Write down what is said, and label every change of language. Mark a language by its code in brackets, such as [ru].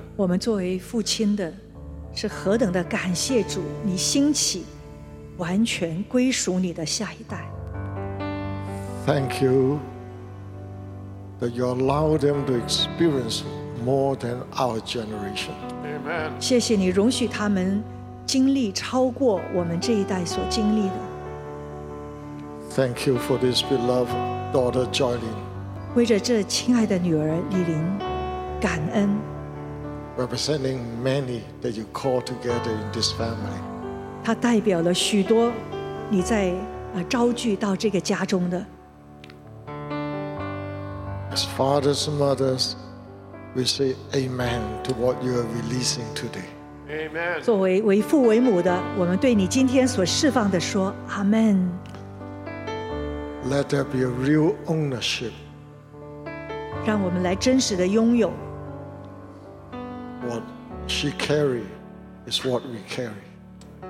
[zh] 我们作为父亲的，是何等的感谢主，你兴起，完全归属你的下一代。 [en] Thank you that you allow them to experience more than our generation. Amen. [zh] 谢谢你容许他们经历超过我们这一代所经历的。 [en] Thank you for this beloved daughter, Joylene. [zh] 为着这亲爱的女儿李玲感恩。 [en] Representing many that you call together in this family. [zh] 她代表了许多你在招聚到这个家中的。 [en] As fathers and mothers, we say amen to what you are releasing today. Amen. [zh] 作为为父为母的，我们对你今天所释放的说 Amen. [en] Let there be a real ownership. [zh] 让我们来真实的拥有。 [en] What she carries is what we carry.